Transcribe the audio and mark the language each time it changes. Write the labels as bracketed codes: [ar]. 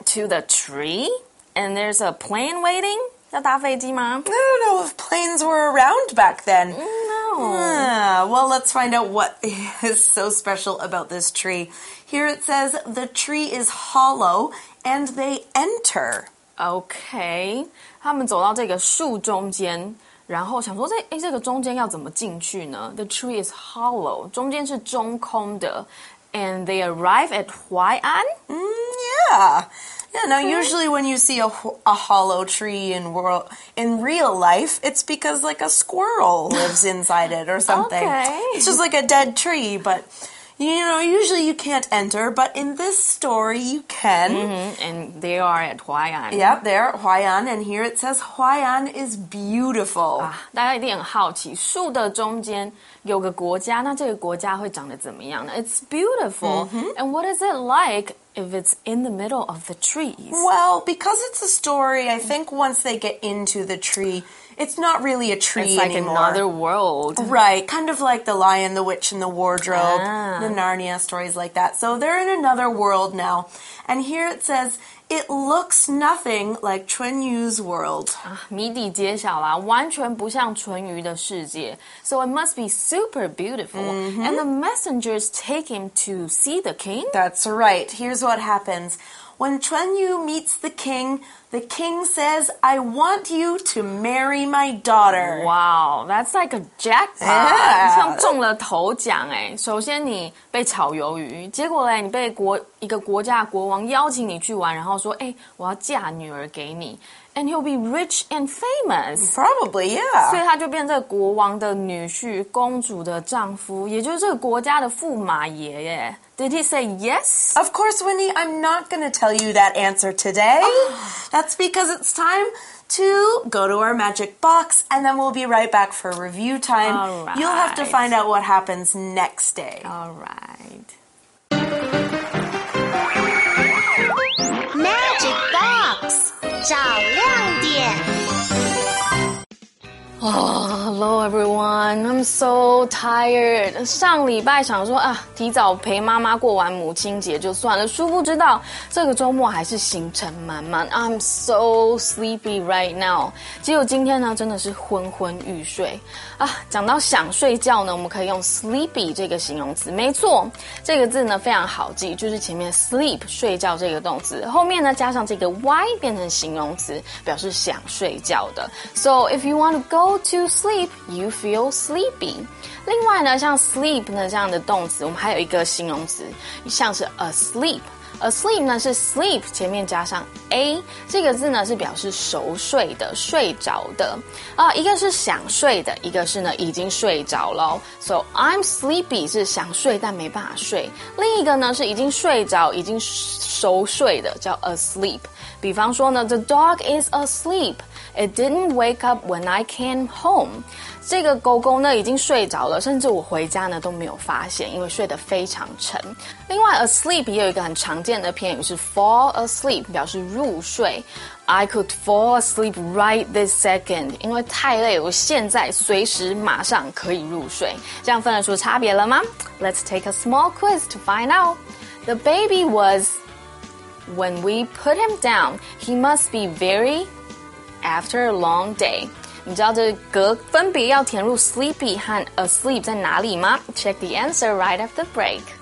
[en] To the tree? And there's a plane waiting? [zh] 要搭飞机吗? [en] I don't know if planes were around back then. No. Well, let's find out what is so special about this tree. Here it says, the tree is hollow and they enter. Okay. [zh] 他们走到这个树中间，然后想说这个中间要怎么进去呢? [en] The tree is hollow. [zh] 中间是中空的。 [en] And they arrive at Huai'an? Yeah. Yeah, now usually when you see a hollow tree in real life, it's because like a squirrel lives inside it or something. Okay. It's just like a dead tree, but you know, usually you can't enter, but in this story you can. Mm-hmm. And they are at Huai'an. Yep, they're at Huai'an, and here it says Huai'an is beautiful. [zh] 大家一定很好奇，树的中间有个国家，那这个国家会长得怎么样呢? [en] It's beautiful. Mm-hmm. And what is it like? If it's in the middle of the trees. Well, because it's a story, I think once they get into the tree, it's not really a tree anymore. It's like another world. Right, kind of like The Lion, the Witch, and the Wardrobe, the Narnia stories like that. So they're in another world now. And here it says... It looks nothing like Chun Yu's world. [zh] 谜底揭晓啦，完全不像淳于的世界。 [en] So it must be super beautiful. Mm-hmm. And the messengers take him to see the king? That's right. Here's what happens. When Chun Yu meets the king says, I want you to marry my daughter. Wow, that's like a jackpot. Yeah. [zh] 像中了头奖诶。首先你被炒鱿鱼，结果咧你被一个国家国王邀请你去玩，然后说，诶，我要嫁女儿给你。 [en] And he'll be rich and famous. Probably, yeah. [zh] 所以他就变成这个国王的女婿，公主的丈夫，也就是这个国家的驸马爷耶。 [en] Did he say yes? Of course, Winnie, I'm not going to tell you that answer today. That's because it's time to go to our magic box, and then we'll be right back for review time. All right. You'll have to find out what happens next day. All right. Magic box. [zh] 找亮点。 [en] Hello everyone, I'm so tired. [zh] 上礼拜想说啊，提早陪妈妈过完母亲节就算了，殊不知道这个周末还是行程满满。 [en] I'm so sleepy right now. [zh] 结果今天呢，真的是昏昏欲睡啊。讲到想睡觉呢，我们可以用 sleepy 这个形容词。没错，这个字呢非常好记，就是前面 sleep 睡觉这个动词，后面呢加上这个 y 变成形容词，表示想睡觉的。 [en] So if you want to go to sleep, you feel sleepy. [zh] 另外呢，像 sleep 呢这样的动词，我们还有一个形容词，像是 asleep. Asleep 呢是 sleep 前面加上 a 这个字呢，是表示熟睡的、睡着的。一个是想睡的，一个是呢已经睡着了。 [en] So I'm sleepy [zh] 是想睡但没办法睡。另一个呢是已经睡着、已经熟睡的，叫 asleep。比方说呢 [en] ，the dog is asleep. It didn't wake up when I came home. [zh] 这个狗狗呢已经睡着了，甚至我回家呢都没有发现，因为睡得非常沉。另外 asleep 也有一个很常见的片语是 fall asleep， 表示入睡。 [en] I could fall asleep right this second. [zh] 因为太累，我现在随时马上可以入睡。这样分得出差别了吗？ [en] Let's take a small quiz to find out. The baby was when we put him down. He must be very... After a long day. [zh] 你知道这个格分别要填入 sleepy 和 asleep 在哪里吗? [en] Check the answer right after the break.